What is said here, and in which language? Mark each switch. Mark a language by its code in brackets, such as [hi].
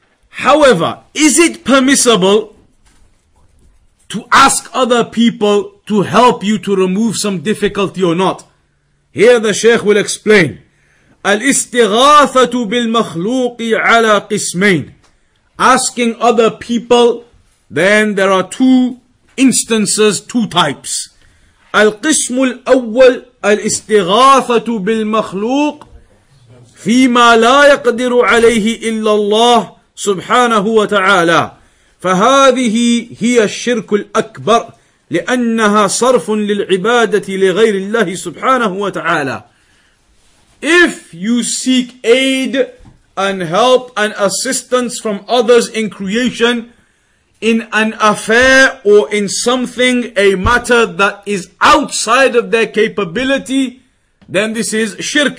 [en] However, is it permissible to ask other people to help you to remove some difficulty or not? Here the Shaykh will explain. [ar] Al-istighathatu bil-makhluqi ala qismain. [en] Asking other people, then there are two instances, two types. [ar] القسم الأول الاستغاثة بالمخلوق فيما لا يقدر عليه إلا الله سبحانه وتعالى فهذه هي الشرك الأكبر لأنها صرف للعبادة لغير الله سبحانه وتعالى. [en] If you seek aid and help and assistance from others in creation in an affair or in something, a matter that is outside of their capability, then this is shirk.